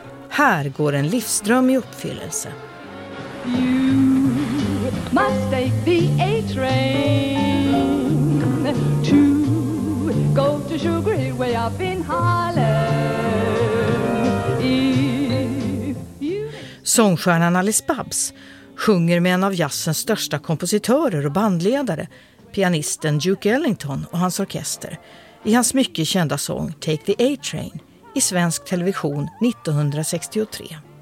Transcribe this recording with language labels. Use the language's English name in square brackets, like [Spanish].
[Swedish] Här går en livsdröm i uppfyllelse. [English] You must take the A-train to go to Sugar Hill way up in Harlem. [Swedish] Sångstjärnan Alice Babs sjunger med en av jazzens största kompositörer och bandledare, pianisten Duke Ellington och hans orkester, i hans mycket kända sång Take the A-Train i svensk television 1963.